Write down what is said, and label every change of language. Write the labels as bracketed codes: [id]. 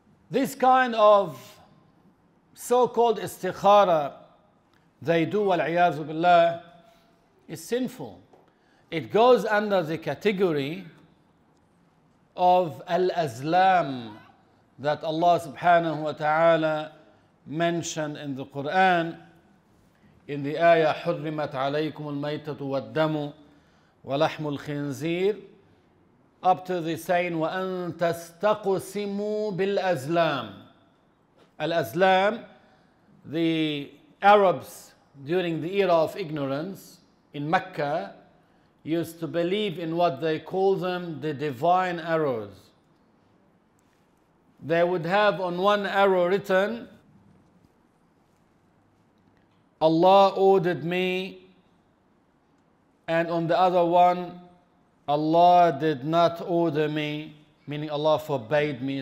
[en] This kind of so-called istikhara they do, wal-iyazu billah, is sinful. It goes under the category of al-azlam that Allah subhanahu wa ta'ala mentioned in the Quran. In the ayah, [ar] حُرِّمَتْ عَلَيْكُمُ الْمَيْتَةُ وَالْدَّمُ وَلَحْمُ الْخِنْزِيرِ, [en] up to the saying, [ar] وَأَن تَسْتَقُسِمُوا بِالْأَزْلَامِ. [en] Al-Azlam, the Arabs during the era of ignorance in Mecca used to believe in what they call them the divine arrows. They would have on one arrow written, Allah ordered me, and on the other one, Allah did not order me, meaning Allah forbade me.